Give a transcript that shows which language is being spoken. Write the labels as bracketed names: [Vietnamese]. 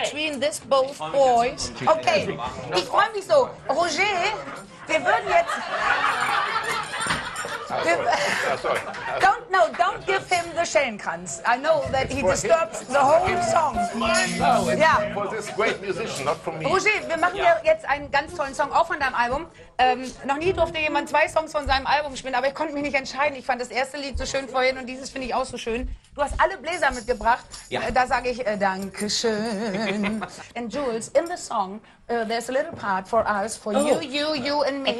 [English] Between this both boys. [German] Okay, ich freue mich so. Roger, wir würden jetzt... [English] Sorry. Don't give him the... the Schellenkranz. I know that he disturbs the whole song. Yeah. For this great musician, not for me. [German] Roger, wir machen ja jetzt einen ganz tollen Song, auch von deinem Album. Noch nie durfte jemand zwei Songs von seinem Album spielen, aber ich konnte mich nicht entscheiden. Ich fand das erste Lied so schön vorhin und dieses finde ich auch so schön. Du hast alle Bläser mitgebracht. Ja. Da sage ich Dankeschön. [English] And Jools, in the song, there's a little part for us, for you, you, you and me.